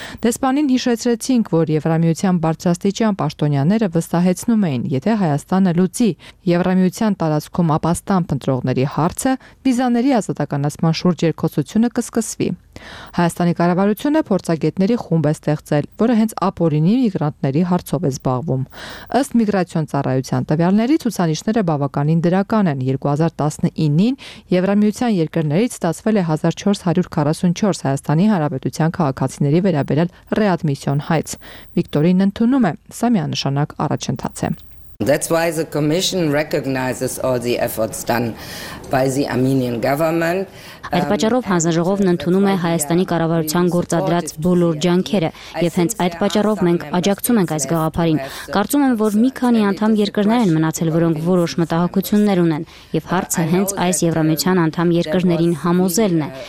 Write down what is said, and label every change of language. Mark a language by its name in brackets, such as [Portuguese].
[Armenian] Դեսպանին հիշեցրեցինք, որ Եվրամիության բարձրաստիճան պաշտոնյաները վստահեցնում էին, եթե Հայաստանը լուծի Եվրամիության տարածքում ապաստան փնտրողների հարցը, վիզաների ազատականացման շուրջ երկխոսությունը կսկսվի։ Հայաստանի կառավարությունը փորձագետների խումբ է ստեղծել, որը հենց ապօրինի միգրանտների հարցով է զբաղվում։ Ըստ միգրացիոն ծառայության տվյալների, ցուցանիշները բավականին դրական են. 2019-ին Եվրամիության երկրներից ստացվել է 1444 Հայաստանի Հանրապետության քաղաքացիների վերաբերյալ ռեադմիսիոն հայց։ Վիկտորին ընդունում է, սա միանշանակ առաջընթաց է։ [English] That's why the commission recognizes all the efforts done by the Armenian government. [Armenian] Այդ պատճառով հանձնաժողովն ընդունում է Հայաստանի կառավարության գործադրած բոլոր ջանքերը, եւ հենց այդ պատճառով մենք աջակցում ենք այս գաղափարին։ Կարծում եմ, որ մի քանի անդամ երկրներ են մնացել, որոնք որոշ մտահոգություններ ունեն, եւ հարցը հենց այս Եվրամիության անդամ երկրներին համոզելն է։